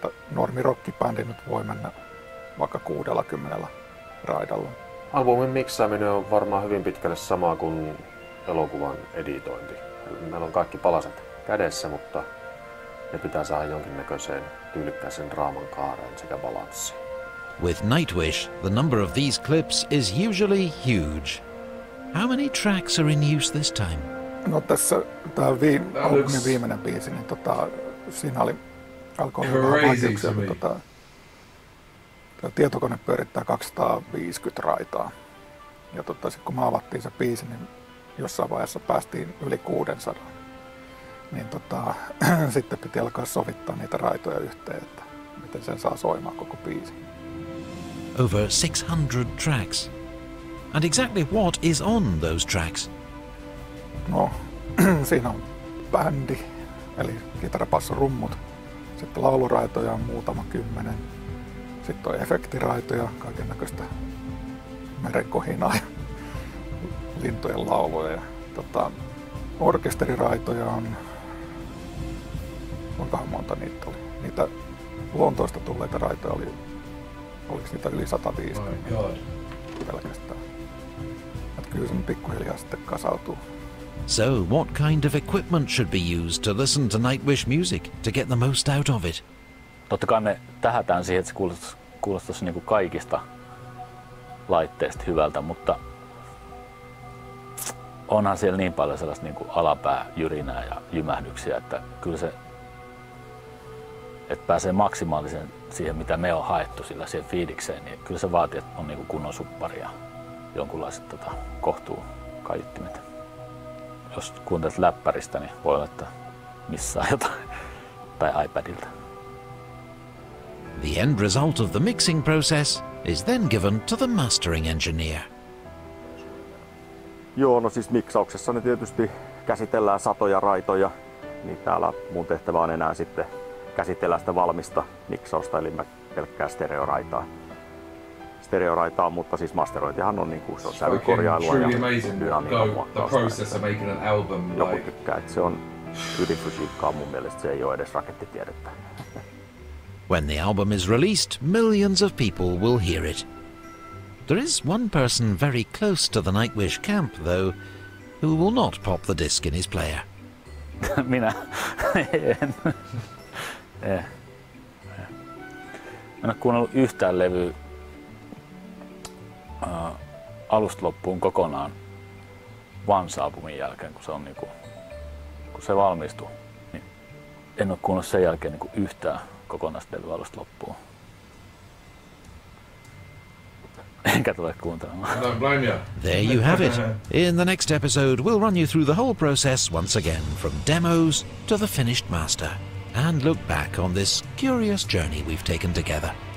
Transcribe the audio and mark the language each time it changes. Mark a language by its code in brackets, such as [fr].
[fi] Normi rockibändi nyt voi mennä vaikka 60 raidalla. Albumin miksaaminen on varmaan hyvin pitkälle sama kuin elokuvan editointi. Meillä on kaikki palaset kädessä, mutta ne pitää saada jonkinnäköiseen tyylikkäisen draaman kaareen sekä balanssiin. [en] With Nightwish, the number of these clips is usually huge. How many tracks are in use this time? [fi] No tässä tämä albumin viimeinen biisi, niin siinä oli alkoi vaikeuksia, mutta tämä tietokone pyörittää 250 raitaa. Ja sitten kun me avattiin se biisi, niin jossain vaiheessa päästiin yli 600. Niin sitten piti alkaa sovittaa niitä raitoja yhteen, että miten sen saa soimaan koko biisi. [en] Over 600 tracks. And exactly what is on those tracks? [fi] No, siinä on bändi, eli kitara, basso, rummut. Sitten lauluraitoja on muutama kymmenen. Sitten on efektiraitoja, kaiken näköistä merenkohinaa ja lintujen lauluja. Ja, orkesteriraitoja on, kuinkahan monta niitä oli. Niitä Lontoosta tulleita raitoja oliko niitä yli 150 pelkästään. Et kyllä se pikkuhiljaa sitten kasautuu. [en] So, what kind of equipment should be used to listen to Nightwish music to get the most out of it? [fi] Totta kai me tähätään siihen, että se kuulostaisi niin kuin kaikista laitteista hyvältä, mutta onhan siellä niin paljon sellaista niin kuin alapääjyrinää ja jymähdyksiä, että kyllä se että pääsee maksimaalisen siihen, mitä me on haettu sillä siihen fiidikseen, niin kyllä se vaatii, että on niin kuin kunnon suppari ja jonkunlaiset kohtuu kaiuttimet. Jos kuuntelet läppäristä, niin voi olla, että missaa jotain, tai iPadilta. [en] The end result of the mixing process is then given to the mastering engineer. [fi] Joo, no siis miksauksessa ne tietysti käsitellään satoja raitoja, niin täällä mun tehtävä on enää sitten käsitellään sitä valmista miksausta, eli mä pelkkää stereoraitaa, mutta siis masterointihan on niinku se on sävykorjailua ja dynamiikan joku tykkää, että se on ydinfysiikkaa mun mielestä, se ei ole edes rakettitiedettä. [en] When the album is released, millions of people will hear it. There is one person very close to the Nightwish camp, though, who will not pop the disc in his player. [fi] Minä. En ole kuunnellut yhtään levyä alusta loppuun kokonaan Vans-albumin jälkeen, kun se on niinku, kun se valmistui. Niin en ole kuunnellut sen jälkeen niinku yhtään kokonaista levyä alusta loppuun. Enkä tule kuuntelemaan. [en] I don't blame you. There you have it. In the next episode, we'll run you through the whole process once again, from demos to the finished master. And look back on this curious journey we've taken together.